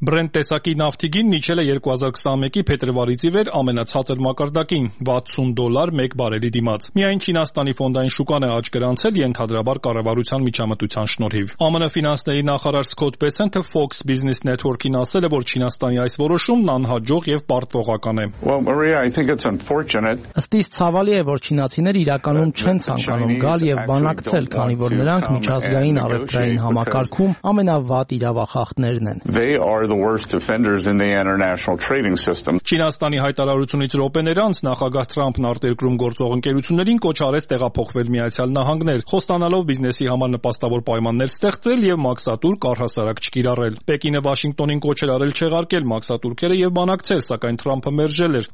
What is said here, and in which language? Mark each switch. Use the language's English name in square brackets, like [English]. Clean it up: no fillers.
[Armenian] Բրենտ տեսակի նավթի գին նիջել է 2021-ի փետրվարից ի վեր ամենացածր մակարդակին՝ $60 մեկ բարելի դիմաց։ Միայն Չինաստանի ֆոնդային շուկան է աճ գրանցել ենթադրաբար կառավարության միջամտության շնորհիվ։ ԱՄՆ ֆինանսների նախարար Սքոթ Բեսենթը Fox Business Network-ին ասել է, որ Չինաստանի այս որոշումն անհաջող և պարտվողական։ [English] Well, Maria, I think it's unfortunate. [Armenian] Ըստիս ցավալի է, որ չինացիները իրականում չեն ցանկանում գալ եւ բանակցել, քանի որ նրանք միջազգային առևտրային համակարգում ամենավատ իրավախախտներն են։ [English] They are the worst offenders in the international trading system. [Armenian] Չինաստանի հայտարարությունից ռոպեներ անց նախագահ Թրամփն արտերկրում գործող ընկերություններին կոչ արեց տեղափոխվել Միացյալ Նահանգներ, խոստանալով բիզնեսի համար նպաստավոր պայմաններ ստեղծել եւ մաքսատուր կառհասարակ չկիրառել։ Պեկինը Վաշինգտոնին կոչ էր արել չեղարկել մաքսատուրքերը եւ բանակցել, սակայն Թրամփը մերժել էր,